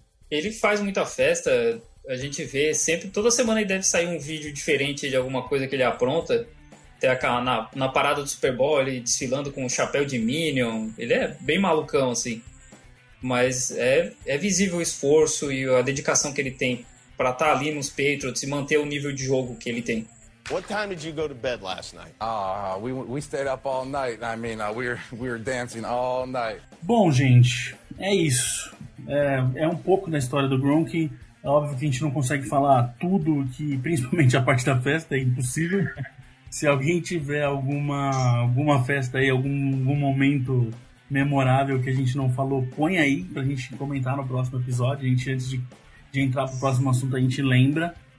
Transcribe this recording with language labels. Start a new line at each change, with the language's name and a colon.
Portuguese: Ele faz muita festa, a gente vê sempre, toda semana ele deve sair um vídeo diferente de alguma coisa que ele apronta, até na parada do Super Bowl, ele desfilando com o chapéu de Minion, ele é bem malucão, assim. Mas é visível o esforço e a dedicação que ele tem pra estar ali nos Patriots e manter o nível de jogo que ele tem.
English: What time did you go to bed last night? We stayed up all night. I mean, we were dancing all night.
Portuguese: Bom, gente, é isso. É um pouco da história do Gronk. É óbvio que a gente não consegue falar tudo, que principalmente a parte da festa é impossível. Se alguém tiver alguma festa aí, algum momento memorável que a gente não falou, põe aí pra gente comentar no próximo episódio. A gente, antes de entrar pro próximo assunto, a gente lembra.